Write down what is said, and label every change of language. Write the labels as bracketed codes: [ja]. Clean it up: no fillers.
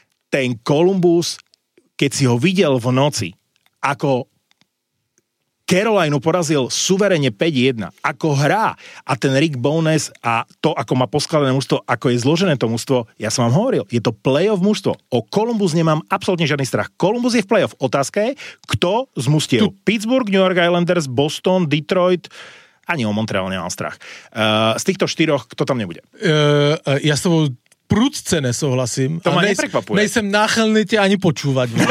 [sk] Ten Columbus, keď si ho videl v noci, ako Carolineu porazil suverene 5-1, ako hrá, a ten Rick Bowness a to, ako má poskladané mužstvo, ako je zložené to mužstvo, ja som vám hovoril, je to play-off mužstvo. O Columbus nemám absolútne žiadny strach. Columbus je v play-off. Otázka je, kto z mužstiev? Pittsburgh, New York Islanders, Boston, Detroit... Ani o Montreal nemám strach. Z týchto štyroch, kto tam nebude? [cs] Ja s tobou prudce nesouhlasím. [sk] To ma neprekvapuje. [cs] Nejsem náchylný [sk] ťa ani počúvať.